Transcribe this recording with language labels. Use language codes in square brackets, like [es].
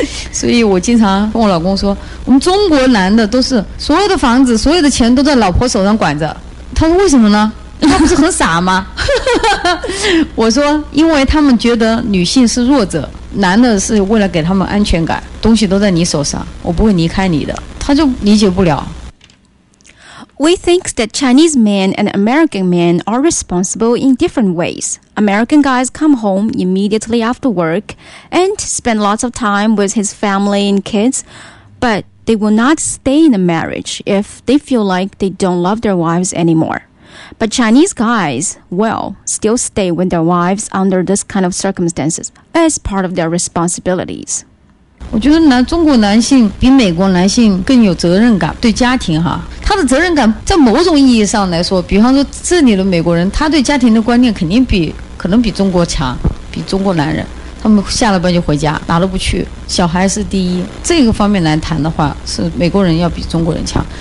[zh] 所以我经常跟我老公说，我们中国男的都是所有的房子所有的钱都在老婆手上管着。他说为什么呢？他不是很傻吗？我说因为他们觉得女性是弱者，男的是为了给他们安全感，东西都在你手上，我不会离开你的。他就理解不了。 [en] We think that Chinese men and American men are responsible in different ways. American guys come home immediately after work and spend lots of time with his family and kids, but they will not stay in a marriage if they feel like they don't love their wives anymore. But Chinese guys, well, still stay with their wives under this kind of circumstances as part of their responsibilities. [zh] 我觉得中国男性比美国男性更有责任感，对家庭哈，他的责任感在某种意义上来说，比方说这里的美国人，他对家庭的观念肯定可能比中国强，比中国男人，他们下了班就回家，哪都不去，小孩是第一，这个方面来谈的话，是美国人要比中国人强。